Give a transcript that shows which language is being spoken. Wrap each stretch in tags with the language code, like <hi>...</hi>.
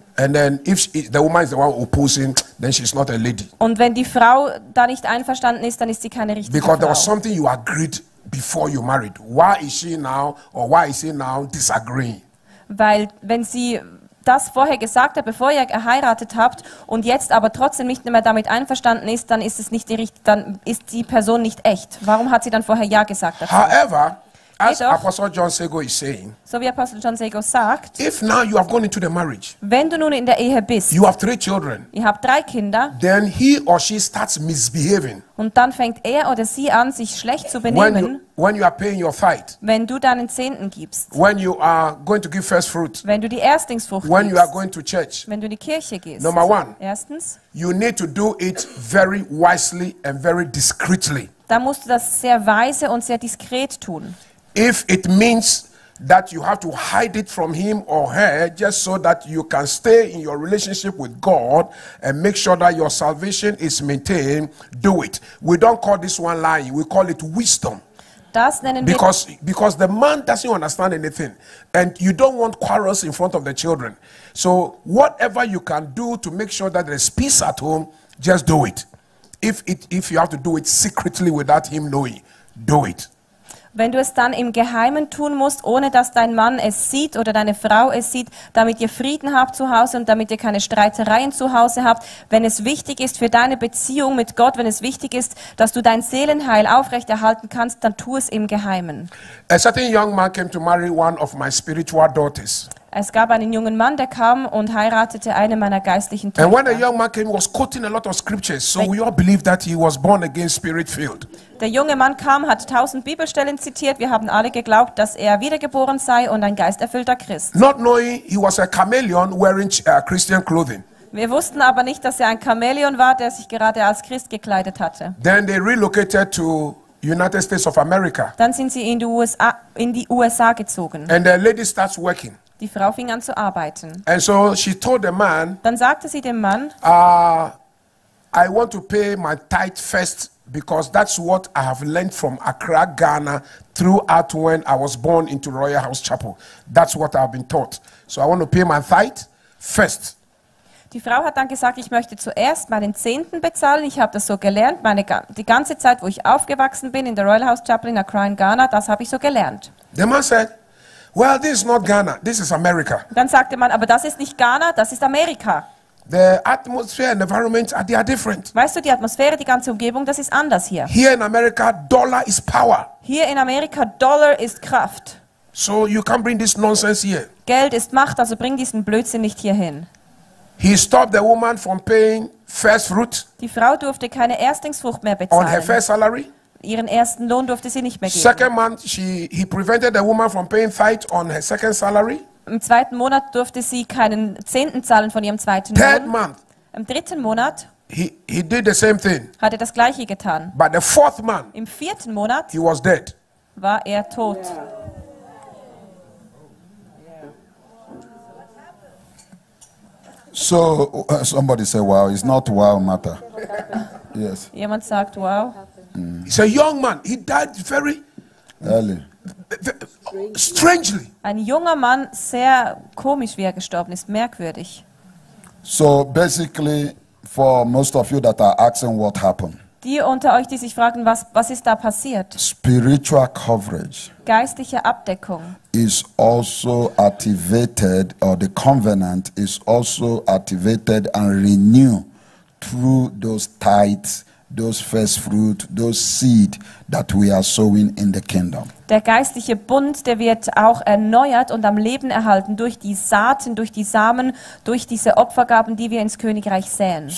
<en>And then if the woman is the one opposing, then she's not a lady.</en> <de>Und wenn die Frau da nicht einverstanden ist, dann ist sie keine richtige</de> <en>Because</en> <de>Frau.</de> <en>There was something you agreed before you married. Why is she now or why is he now disagreeing?</en> <de>Weil wenn sie das vorher gesagt hat, bevor ihr geheiratet habt und jetzt aber trotzdem nicht mehr damit einverstanden ist, dann ist es nicht die richtige, dann ist die Person nicht echt. Warum hat sie dann vorher ja gesagt dazu?</de> <en>However, as</en> <de>Jedoch,</de> <en>Apostle John Sego is saying,</en> <de>so wie Apostel John Sego sagt,</de> <en>if now you have gone into the marriage,</en> <de>wenn du nun in der Ehe bist,</de> <en>you have three children,</en> <de>ihr habt drei Kinder,</de> <en>then he or she starts misbehaving.</en> <de>Und dann fängt er oder sie an, sich schlecht zu benehmen,</de> <en>when you are paying your fight,</en> <de>wenn du deinen Zehnten gibst,</de> <en>when you are going to give first fruit,</en> <de>wenn du die Erstlingsfrucht</de> <en>when</en> <de>gibst,</de> <en>you are going to church,</en> <de>wenn du in die Kirche gehst.</de> <en>Number one,</en> <de>erstens,</de> <en>you need to do it very wisely and very discreetly.</en> <de>Da musst du das sehr weise und sehr diskret tun.</de> <en>If it means that you have to hide it from him or her just so that you can stay in your relationship with God and make sure that your salvation is maintained, do it. We don't call this one lying. We call it wisdom.</en> <de>Das nennen wir</de> <en>because the man doesn't understand anything and you don't want quarrels in front of the children. So whatever you can do to make sure that there's peace at home, just do it. If you have to do it secretly without him knowing, do it.</en> <de>Wenn du es dann im Geheimen tun musst, ohne dass dein Mann es sieht oder deine Frau es sieht, damit ihr Frieden habt zu Hause und damit ihr keine Streitereien zu Hause habt, wenn es wichtig ist für deine Beziehung mit Gott, wenn es wichtig ist, dass du dein Seelenheil aufrechterhalten kannst, dann tu es im Geheimen.</de> <en>A certain young man came to marry one of my spiritual daughters.</en> <de>Es gab einen jungen Mann, der kam und heiratete eine meiner geistlichen Töchter.</de> <en>And when the young man came, he was quoting a lot of scriptures, so we all believed that he was born again, spirit filled.</en> <de>Der junge Mann kam, hat 1000 Bibelstellen zitiert. Wir haben alle geglaubt, dass er wiedergeboren sei und ein geisterfüllter Christ.</de> <en>Not knowing he was a chameleon wearing Christian clothing.</en> <de>Wir wussten aber nicht, dass er ein Chamäleon war, der sich gerade als Christ gekleidet hatte.</de> <en>Then they relocated to United States of America.</en> <de>Dann sind sie in die USA, gezogen.</de> <en>And the lady starts working.</en> <de>Die Frau fing an zu arbeiten.</de> <en>And so she told the man,</en> <de>dann sagte sie dem Mann,</de> <en>I want to pay my tithe first, because that's what I have learned from Accra, Ghana, throughout when I was born into Royal House Chapel. That's what I've been taught. So I want to pay my tithe first.</en> <de>Die Frau hat dann gesagt, ich möchte zuerst meinen Zehnten bezahlen. Ich habe das so gelernt, die ganze Zeit, wo ich aufgewachsen bin in der Royal House Chapel in Accra, in Ghana, das habe ich so gelernt.</de> <en>The man said, well, this is not Ghana, this is America.</en> <de>Dann sagte man, aber das ist nicht Ghana, das ist Amerika.</de> <en>The atmosphere and environment are different.</en> <de>Weißt du, die Atmosphäre, die ganze Umgebung, das ist anders hier.</de> <en>Here in America, dollar is power.</en> <de>Hier in Amerika, Dollar ist Kraft.</de> <en>So you can't bring this nonsense here.</en> <de>Geld ist Macht, also bring diesen Blödsinn nicht hierhin.</de> <en>He stopped the woman from paying first fruit.</en> <de>Die Frau durfte keine Erstlingsfrucht mehr bezahlen.</de> <en>On her first salary.</en> <de>Ihren ersten Lohn durfte sie nicht mehr geben.</de> <en>Second month, he prevented the woman from paying fight on her second salary.</en> <de>Im zweiten Monat durfte sie keinen Zehnten zahlen von ihrem zweiten Lohn.</de> <en>Third month,</en> <de>im dritten Monat</de> <en>he did the same thing.</en> <de>Hat er das Gleiche getan.</de> <en>But the fourth month,</en> <de>im vierten Monat</de> <en>he was dead.</en> <de>War er tot.</de> <en>So, somebody say, wow, it's not wow matter. Yes.</en> <de>Jemand sagt, wow.</de> <en>He's a young man. He died very early. strangely.</en> <de>Ein junger Mann, sehr komisch, wie er gestorben ist, merkwürdig.</de> <en>So basically, for most of you that are asking what happened.</en> <de>Die unter euch, die sich fragen, was ist da passiert?</de> <en>Spiritual coverage.</en> <de>Geistliche Abdeckung.</de> <en>Is also activated, or the covenant is also activated and renewed through those tithes, those first fruit, those seed that we are sowing in the kingdom.</en> <de>Der geistliche Bund, der wird auch erneuert und am Leben erhalten durch die Saaten, durch die Samen, durch diese Opfergaben, die wir ins Königreich säen.</de>